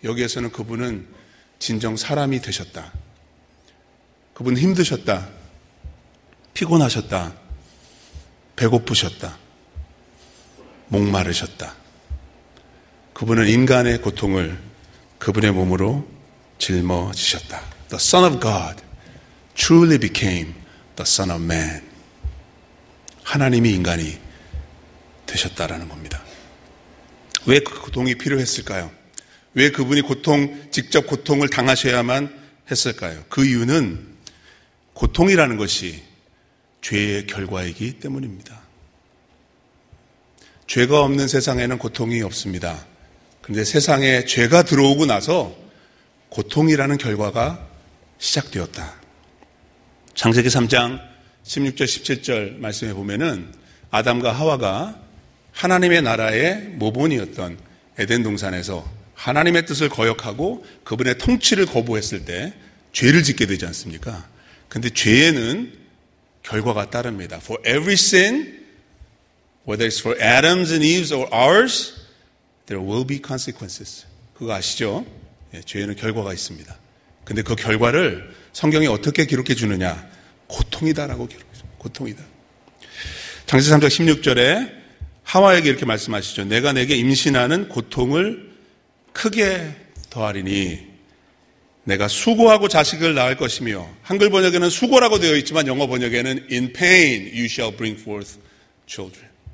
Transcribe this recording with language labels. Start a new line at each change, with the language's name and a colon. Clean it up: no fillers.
Korean: 여기에서는 그분은 진정 사람이 되셨다. 그분은 힘드셨다. 피곤하셨다. 배고프셨다. 목마르셨다. 그분은 인간의 고통을 그분의 몸으로 짊어지셨다.
English: The Son of God truly became the Son of Man.
Korean: 하나님이 인간이 되셨다라는 겁니다. 왜 그 고통이 필요했을까요? 왜 그분이 고통, 직접 고통을 당하셔야만 했을까요? 그 이유는 고통이라는 것이 죄의 결과이기 때문입니다. 죄가 없는 세상에는 고통이 없습니다. 그런데 세상에 죄가 들어오고 나서 고통이라는 결과가 시작되었다. 창세기 3장 16절 17절 말씀해 보면은 아담과 하와가 하나님의 나라의 모본이었던 에덴 동산에서 하나님의 뜻을 거역하고 그분의 통치를 거부했을 때 죄를 짓게 되지 않습니까? 근데 죄에는 결과가 따릅니다.
English: For every sin, whether it's for Adam's and Eve's or ours, there will be consequences.
Korean: 그거 아시죠? 예, 죄에는 결과가 있습니다. 근데 그 결과를 성경이 어떻게 기록해 주느냐? 고통이다라고 기록해 줍니다. 고통이다. 창세기 3장 16절에 하와에게 이렇게 말씀하시죠. 내가 내게 임신하는 고통을 크게 더하리니 내가 수고하고 자식을 낳을 것이며 한글 번역에는 수고라고 되어 있지만 영어 번역에는
English: In pain you shall bring forth children.